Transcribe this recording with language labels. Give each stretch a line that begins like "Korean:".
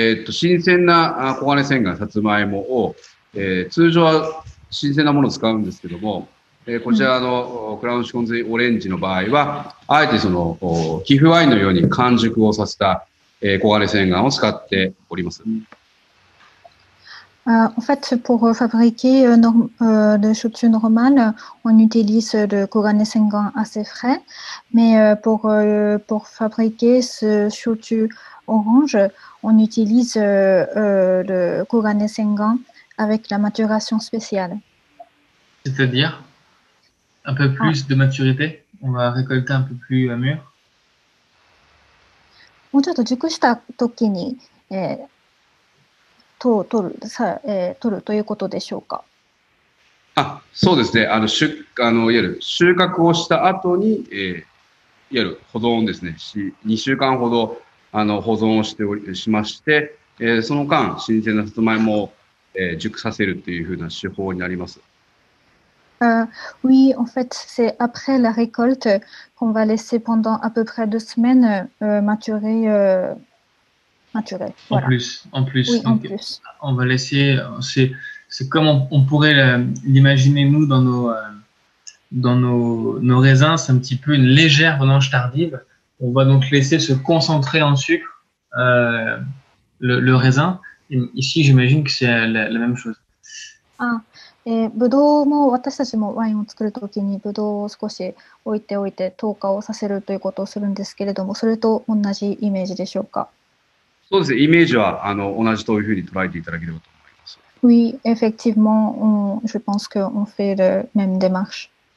Japanese: 新鮮な黄金千貫さつまいもを、通常は新鮮なものを使うんですけども、こちらのクラウンシコンズオレンジの場合は、あえてその寄付ワインのように完熟をさせた黄金千貫を使っております。
French: En fait, pour fabriquer le shochu normal, on utilise le Kogane Sengan assez frais, mais pour fabriquer ce shochu orange, on utilise le Kogane Sengan avec la maturation spéciale. C'est-à-dire un peu plus de maturité, on va récolter un peu plus mûr.
Japanese: もうちょっと熟した時に、取るということでしょうか。あ、そうですね。いわゆる収穫をした後に、いわゆる保存ですね。 2週間ほど保存をしておりしまして、その間新鮮なさつまいもを、熟させるというふうな手法になります。
French: Oui, en fait, c'est après la récolte qu'on va laisser pendant à peu près 2 semaines maturer. Voilà. En plus. Oui, donc, en plus. On va laisser. C'est comme on pourrait l'imaginer nous dans nos raisins, c'est un petit peu une légère vendange tardive. On va donc laisser se concentrer en sucre le raisin. Et ici, j'imagine que c'est la même chose. Ah, et
Japanese: ブドウも私たちもワインを作るときにブドウを少し置いておいて糖化をさせるということをするんですけれども、それと同じイメージでしょうか。そうですね。イメージは同じというふうに捉えていただければと思います。
French: Oui, effectivement, je pense que on fait la même démarche.